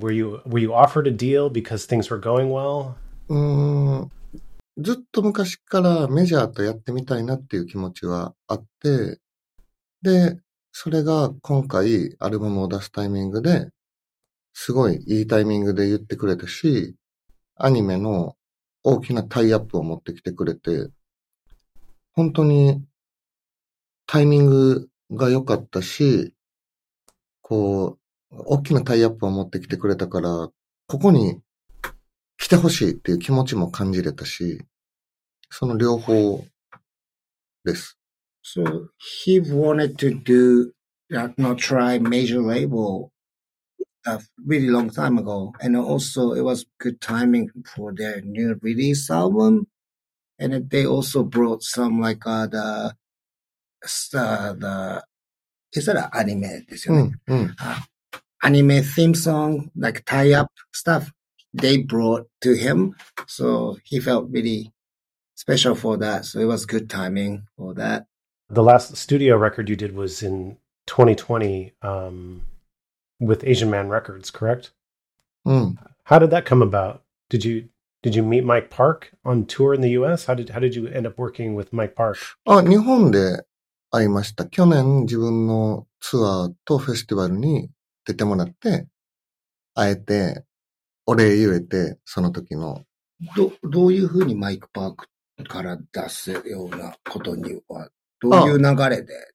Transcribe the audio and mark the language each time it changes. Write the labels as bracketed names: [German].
[English] Were you offered a deal because things were going well? [Japanese] ずっと昔からメジャーとやってみたいなっていう気持ちはあって、で、それが今回アルバムを出すタイミングですごいいいタイミングで言ってくれたし、アニメの大きなタイアップを持ってきてくれて、本当にタイミングが良かったし、こう、大きなタイアップを持ってきてくれたから、ここに来てほしいっていう気持ちも感じれたし、その両方です。 [English] So, he wanted to do, not try major label a really long time ago, and also it was good timing for their new release album. And they also brought some, like, the, is that an anime? [Japanese] ですよね、 [English] anime theme song, like tie up stuff they brought to him. So he felt really special for that. So it was good timing for that. The last studio record you did was in 2020, with Asian Man Records, correct? How did that come about? Did you meet Mike Park on tour in the US? How did you end up working with Mike Park? [Japanese] あ、日本で会いました。去年自分のツアーとフェスティバルに出てもらって、会えて、お礼言えて、その時の。どういうふうにマイク・パークから出すようなことには、どういう流れで？